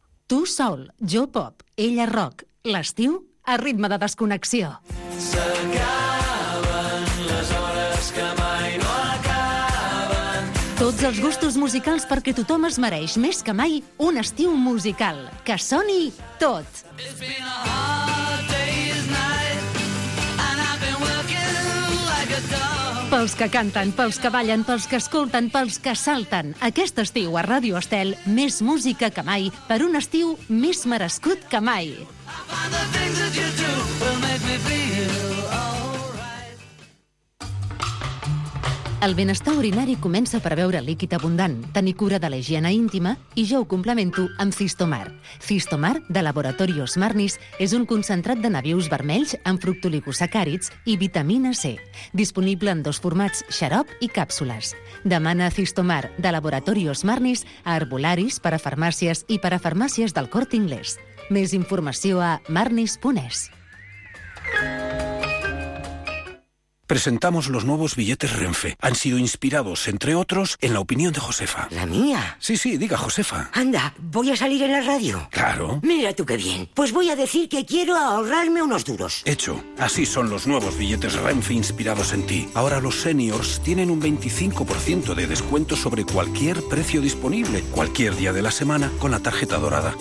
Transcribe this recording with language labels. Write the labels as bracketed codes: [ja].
[ca] Tu sol, jo pop, ella rock. L'estiu, a ritme de desconnexió. S'acaben les hores que mai no acaben. Tots els gustos musicals perquè tothom es mereix més que mai un estiu musical. Que soni tot. [en] It's been a hard day's night and I've been working like a dog. [ca] Pels que canten, pels que ballen, pels que escolten, pels que salten. Aquest estiu a Ràdio Estel, més música que mai, per un estiu més merescut que mai. El benestar urinari comença per beure líquid abundant, tenir cura de la higiene íntima i jo ho complemento amb Cistomar. Cistomar, de Laboratorios Marnis, és un concentrat de nabius vermells amb fructoligosacàrids i vitamina C, disponible en dos formats, xarop i càpsules. Demana Cistomar, de Laboratorios Marnis, a Herbolaris, per a farmàcies i per a farmàcies del Corte Inglés. Més informació a marnis.es. [es] Presentamos los nuevos billetes Renfe. Han sido inspirados, entre otros, en la opinión de Josefa. ¿La mía? Sí, sí, diga Josefa. Anda, voy a salir en la radio. Claro. Mira tú qué bien. Pues voy a decir que quiero ahorrarme unos duros. Hecho. Así son los nuevos billetes Renfe inspirados en ti. Ahora los seniors tienen un 25% de descuento sobre cualquier precio disponible, cualquier día de la semana, con la tarjeta dorada.